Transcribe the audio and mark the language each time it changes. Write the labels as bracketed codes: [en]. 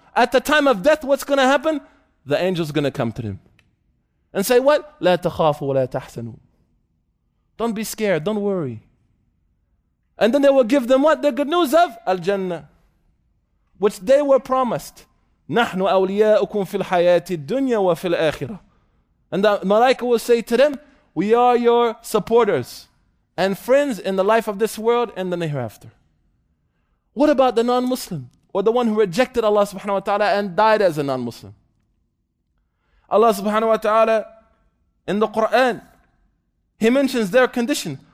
[en] At the time of death, what's going to happen? The angel's going to come to them and say what? [ar] لا تخافوا ولا تحسنوا. [en] Don't be scared. Don't worry. And then they will give them what? The good news of Al-Jannah, which they were promised. [ar] نحن أولياؤكم في الحياة الدنيا وفي الآخرة. [en] And the malaika will say to them, we are your supporters and friends in the life of this world and the hereafter. What about the non-Muslim? Or the one who rejected Allah subhanahu wa ta'ala and died as a non-Muslim. Allah subhanahu wa ta'ala in the Quran, He mentions their condition.